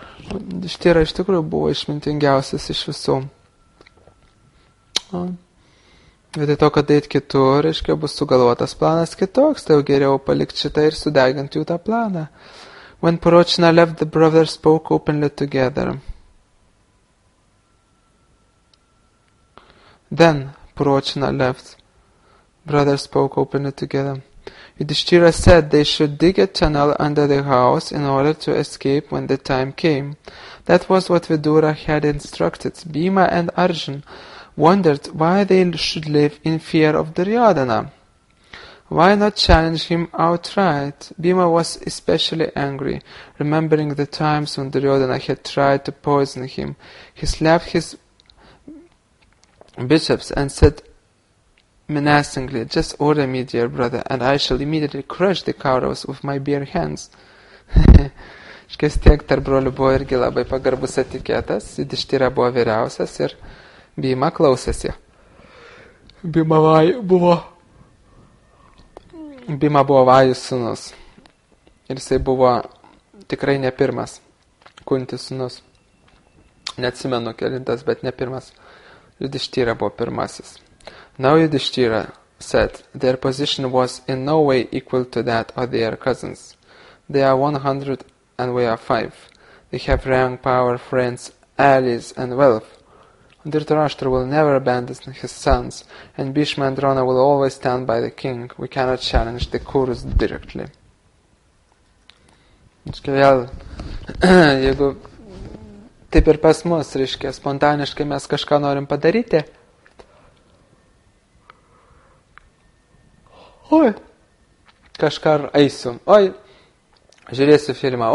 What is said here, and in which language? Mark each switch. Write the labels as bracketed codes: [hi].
[lt] Yudhishthira iš tikrųjų buvo išmintingiausias iš visų. Vietoj to, kad eit kitur, reiškia, bus sugalvotas planas kitoks, tai jau geriau palikti šitą ir sudeginti jų tą planą. [en] When Purochana left, the brothers spoke openly together. Then Purochana left. Brothers spoke openly together. Yudhishthira said they should dig a tunnel under the house in order to escape when the time came. That was what Vidura had instructed. Bhima and Arjun wondered why they should live in fear of Duryodhana. Why not challenge him outright? Bhima was especially angry, remembering the times when Duryodhana had tried to poison him. He slapped his bishops and said menacingly, just order me, dear brother, and I shall immediately crush the Kauravas with my bare hands. [lt] Iškis tiek tarp brolių buvo irgi labai pagarbus etiketas, Yudhishthira buvo vyriausias ir Bhima klausėsi. Bhima buvo vajus sūnus. Ir jisai buvo tikrai ne pirmas Kuntis sūnus. Neatsimenu kelintas, bet ne pirmas. Yudhishthira buvo pirmasis. [en] Now Yudhishthira said, their position was in no way equal to that of their cousins. They are 100 and we are 5. They have rank, power, friends, allies and wealth. Dhritarashtra will never abandon his sons, and Bhishma and Drona will always stand by the king. We cannot challenge the Kurus directly. [lt] Jeigu taip ir pas mus, reiškia, spontaniškai mes kažką norim padaryti. Oi, kažką eisiu. Oi, žiūrėsiu filmą.